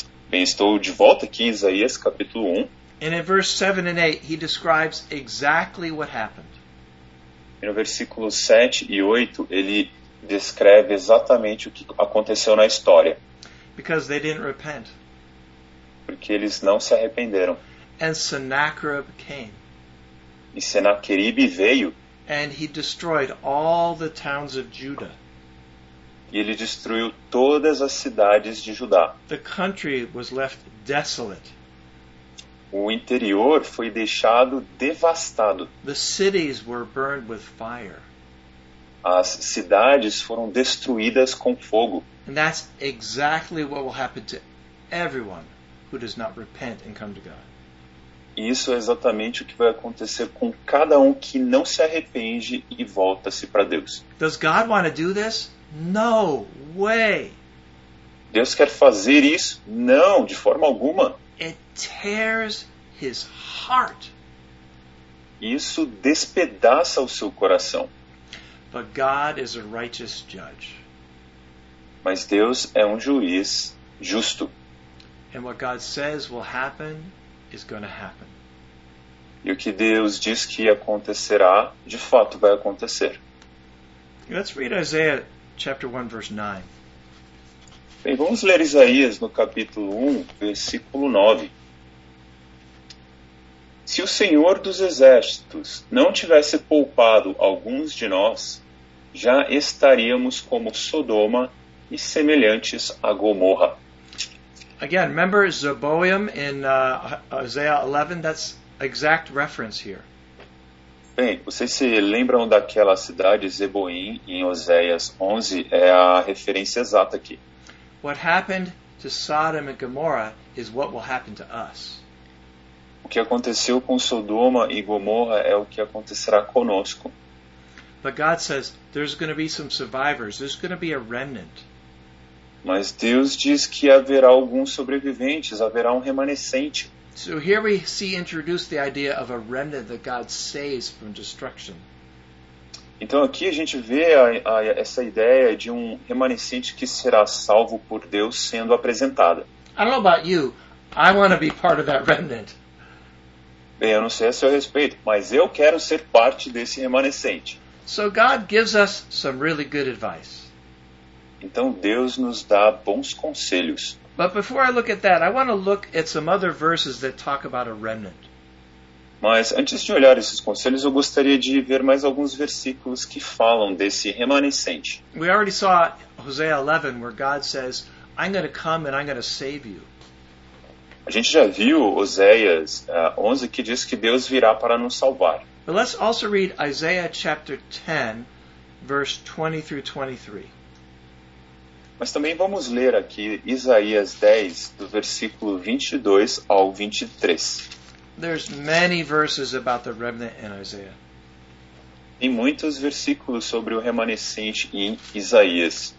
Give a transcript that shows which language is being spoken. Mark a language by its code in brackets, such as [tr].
[pt] Bem, estou de volta aqui em Isaías capítulo 1. [en] And in verse 7 and 8, he describes exactly what happened. [pt] No versículo 7 e 8, ele descreve exatamente o que aconteceu na história. [en] Because they didn't repent. [pt] Porque eles não se arrependeram. [en] And Sennacherib came. [pt] E Sennacherib veio. [en] And he destroyed all the towns of Judah. [pt] E ele destruiu todas as cidades de Judá. [en] The country was left desolate. [pt] O interior foi deixado devastado. [en] The cities were burned with fire. [pt] As cidades foram destruídas com fogo. [en] And that's exactly what will happen to everyone who does not repent and come to God. [pt] Isso é exatamente o que vai acontecer com cada um que não se arrepende e volta-se para Deus. [en] Does God want to do this? No way. [pt] Deus quer fazer isso? Não, de forma alguma. [en] It tears his heart. [pt] Isso despedaça o seu coração. [en] But God is a righteous judge. [pt] Mas Deus é um juiz justo. [en] And what God says will happen is going to happen. [pt] E o que Deus diz que acontecerá, de fato vai acontecer. [en] Let's read Isaiah chapter 1, verse 9. [pt] Bem, vamos ler Isaías no capítulo 1, versículo 9. Se o Senhor dos Exércitos não tivesse poupado alguns de nós, já estaríamos como Sodoma e semelhantes a Gomorra. [en] Again, remember Zeboiim in Isaiah 11? That's exact reference here. [pt] Bem, vocês se lembram daquela cidade, Zeboiim, em Oséias 11? É a referência exata aqui. [en] What happened to Sodom and Gomorrah is what will happen to us. [pt] O que aconteceu com Sodoma e Gomorra é o que acontecerá conosco. [en] But God says, there's going to be some survivors, there's going to be a remnant. [pt] Mas Deus diz que haverá alguns sobreviventes, haverá um remanescente. [en] So here we see introduced the idea of a remnant that God saves from destruction. [pt] Então aqui a gente vê essa ideia de um remanescente que será salvo por Deus sendo apresentada. [en] I don't know about you, I want to be part of that remnant. [pt] Bem, eu não sei a seu respeito, mas eu quero ser parte desse remanescente. [en] So God gives us some really good advice. [pt] Então Deus nos dá bons conselhos. [en] But before I look at that, I want to look at some other verses that talk about a remnant. [pt] Mas antes de olhar esses conselhos, eu gostaria de ver mais alguns versículos que falam desse remanescente. [en] We already saw Hosea 11, where God says, I'm going to come and I'm going to save you. [pt] A gente já viu Oséias 11, que diz que Deus virá para nos salvar. [en] But let's also read Isaiah chapter 10, verse 20-23. [pt] Mas também vamos ler aqui Isaías 10, do versículo 22 ao 23. [en] There's many verses about the remnant in Isaiah. [pt] Tem muitos versículos sobre o remanescente em Isaías.